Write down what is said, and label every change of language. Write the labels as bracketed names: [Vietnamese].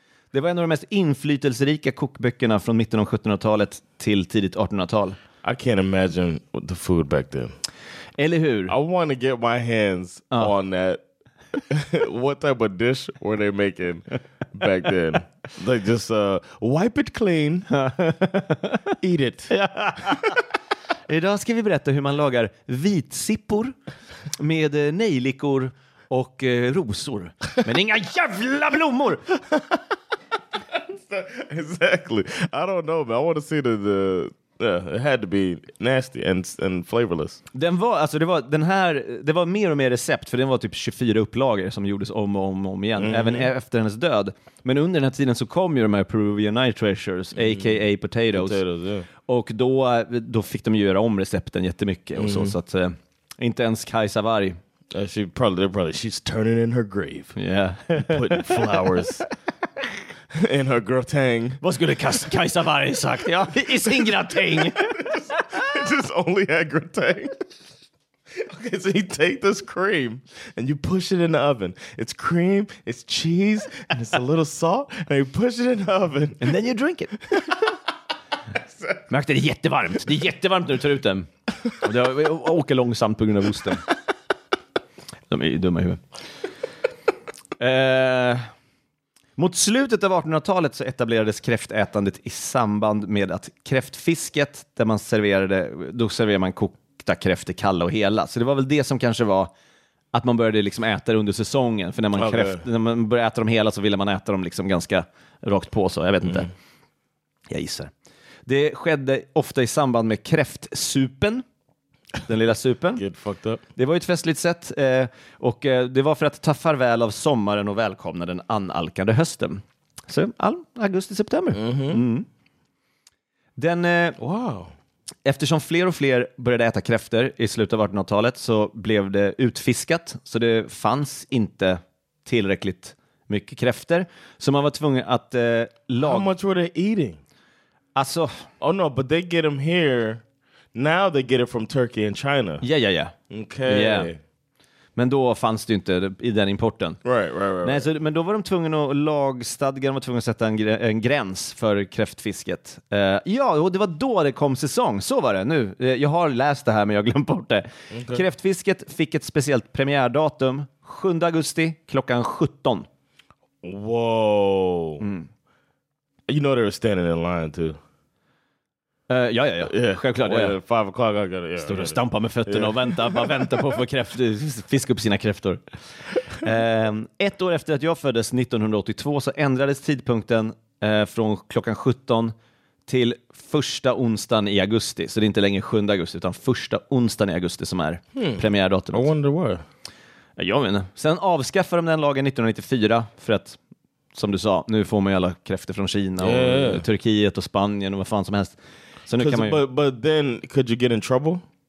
[Swedish] Det var en av de mest inflytelserika kokböckerna från mitten av 1700-talet till tidigt 1800-tal. [English] I can't imagine the food back then. [Swedish] Eller hur? [English] I want to get my hands on that. What type of dish were they making back then? Like just wipe it clean. Eat it. [Swedish] Idag ska vi berätta hur man lagar vitsippor med nejlikor och rosor. Men inga jävla blommor! [English] Exactly. I don't know, but I want to see the... Yeah, it had to be nasty and flavorless. [Swedish] Den var, alltså det var den här, det var mer och mer recept, för den var typ 24 upplagor som gjordes om och om, om igen, även efter hennes död. Men under den här tiden så kom ju de här [English] Peruvian Night Treasures, aka potatoes. Potatoes, yeah. [Swedish] Och då fick de göra om recepten jättemycket och så att inte ens Kajsa Varg. [English] She probably she's turning in her grave. Yeah. Putting flowers. In her gratäng. [Swedish] Vad skulle Kajsa Varg sagt? Ja, i sin gratäng. [English] just only had gratäng. Okay, so you take this cream and you push it in the oven. It's cream, it's cheese, and it's a little salt. And you push it in the oven. And then you drink it. [Swedish] Märkte, det är jättevarmt. Det är jättevarmt när du tar ut den. Och det åker långsamt på grund av osten. De är dumma i huvudet. Mot slutet av 1800-talet så etablerades kräftätandet i samband med att kräftfisket, där man serverade, då serverade man kokta kräftor kalla och hela. Så det var väl det som kanske var att man började liksom äta under säsongen. För när man, när man började äta dem hela så ville man äta dem liksom ganska rakt på så. Jag vet inte. Jag gissar. Det skedde ofta i samband med kräftsupen. Den lilla supen. [English] Good fucked up. [Swedish] Det var ju ett festligt sätt. Och det var för att ta farväl av sommaren och välkomna den analkande hösten. Så augusti, september. Den, [English] wow. [Swedish] Eftersom fler och fler började äta kräfter i slutet av 1800-talet så blev det utfiskat. Så det fanns inte tillräckligt mycket kräfter. Så man var tvungen att laga... [English] How much were they eating? [Swedish] Alltså... [English] Oh no, but they get them here... Now they get it from Turkey and China. Yeah. Okay. Yeah. [Swedish] Men då fanns det inte i den importen. [English] Right. [Swedish] Nej, så, men då var de tvungna att lagstadga, de var tvungna att sätta en gräns för kräftfisket. Ja, och det var då det kom säsong. Så var det nu. Jag har läst det här men jag glömt bort det. Okay. Kräftfisket fick ett speciellt premiärdatum. 7 augusti klockan 17. [English] Wow. Mm. You know they were standing in line too. [Swedish] Ja. Självklart. [English] Yeah, 5 o'clock, I got it. Yeah, [Swedish] stod och stampade med fötterna och väntade. Bara väntade på att få kräft, fiska upp sina kräftor. Ett år efter att jag föddes 1982 så ändrades tidpunkten från klockan 17 till första onsdagen i augusti. Så det är inte längre 7 augusti utan första onsdagen i augusti som är premiärdatum. I wonder why. Jag menar. Sen avskaffade de den lagen 1994 för att, som du sa, nu får man ju alla kräfter från Kina och Turkiet och Spanien och vad fan som helst. Så nu kan man ju... [English] But then, could you get in trouble?